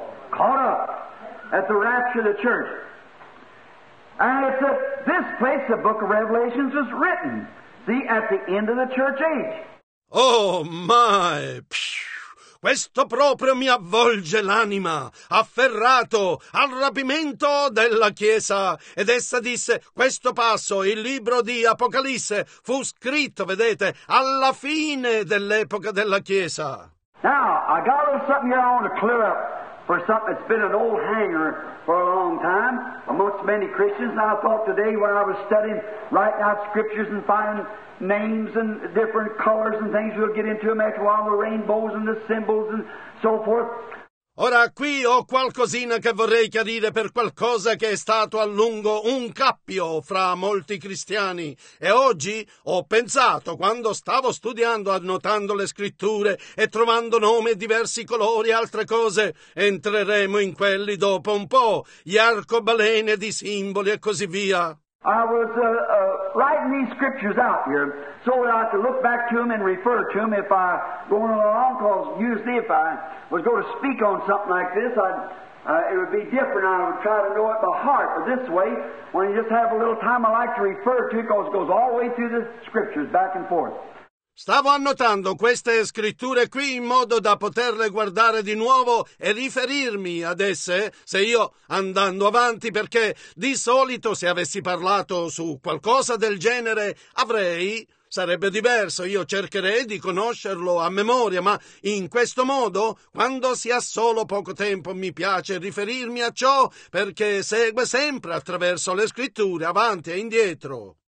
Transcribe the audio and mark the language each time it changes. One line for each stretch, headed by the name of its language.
English: Caught up at the rapture of the church. And it's at this place the book of Revelations was written. See, at the end of the church age. Oh, my.
Italian: Questo proprio mi avvolge l'anima, afferrato al rapimento della Chiesa. Ed essa disse, questo passo, il libro di Apocalisse, fu scritto, vedete, alla fine dell'epoca della Chiesa.
English: Now, I got a little something here I want to clear up for something that's been an old hanger for a long time amongst many Christians. And I thought today when I was studying, writing out scriptures and finding names and different colors and things, we'll get into them after a while, the rainbows and the symbols and so forth.
Italian: Ora qui ho qualcosina che vorrei chiarire per qualcosa che è stato a lungo un cappio fra molti cristiani. E oggi ho pensato, quando stavo studiando, annotando le scritture e trovando nomi, diversi colori, altre cose, entreremo in quelli dopo un po', gli arcobalene di simboli e così via.
English: I was writing these scriptures out here so that I could look back to them and refer to them if I going along, because usually if I was going to speak on something like this, it would be different. I would try to know it by heart. But this way, when you just have a little time, I like to refer to it because it goes all the way through the scriptures, back and forth.
Italian: Stavo annotando queste scritture qui in modo da poterle guardare di nuovo e riferirmi ad esse, se io andando avanti, perché di solito se avessi parlato su qualcosa del genere sarebbe diverso, io cercherei di conoscerlo a memoria, ma in questo modo, quando si ha solo poco tempo, mi piace riferirmi a ciò, perché segue sempre attraverso le scritture, avanti e indietro.